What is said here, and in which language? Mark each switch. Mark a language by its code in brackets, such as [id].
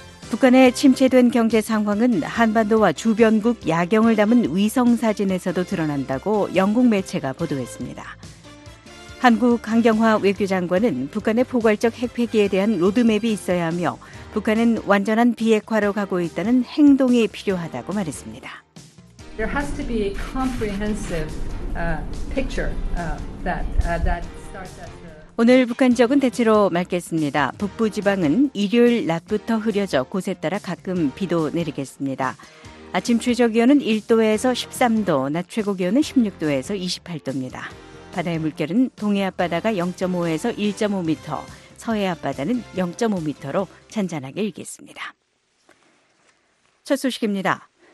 [ko] 북한의 침체된 경제 상황은 한반도와 주변국 야경을 담은 위성 사진에서도 드러난다고 영국 매체가 보도했습니다. 한국 강경화 외교장관은 북한의 포괄적 핵폐기에 대한 로드맵이 있어야 하며 북한은 완전한 비핵화로 가고 있다는 행동이 필요하다고 말했습니다. [en] There has to be a comprehensive picture that starts at [ko] 오늘 북한 지역은 대체로 맑겠습니다. 북부 지방은 일요일 낮부터 흐려져 곳에 따라 가끔 비도 내리겠습니다. 아침 최저 기온은 1도에서 13도, 낮 최고 기온은 16도에서 28도입니다. 바다의 물결은 동해 앞바다가 0.5에서 1.5m, 서해 앞바다는 0.5m로 잔잔하게 일겠습니다. 첫 소식입니다.